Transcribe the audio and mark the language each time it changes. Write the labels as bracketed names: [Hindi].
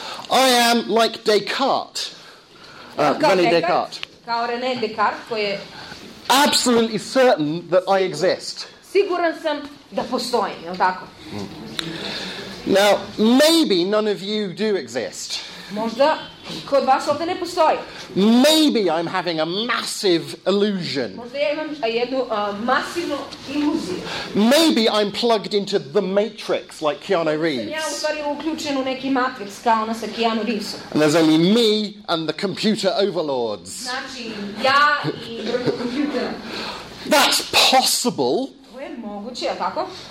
[English] I am like Descartes. René Descartes. [Serbian] Kao René Descartes, koji je [English] absolutely certain that I exist. [Serbian] Siguran sam da postojim, je li tako? [English] Now, maybe none of you do exist. [Serbian] Možda kod vas ovde ne postoji. [English] Maybe I'm having a massive illusion. [Serbian] Možda ja imam jednu masivnu iluziju. [English] Maybe I'm plugged into the Matrix like Keanu Reeves. [Serbian] Ja u stvari uključen u neki Matrix kao ona sa Keanu Reevesom. [English] And there's only me and the computer overlords. [Serbian] Znači, ja i drugi kompjuter. [English] That's possible. [Serbian] To je moguće, je tako?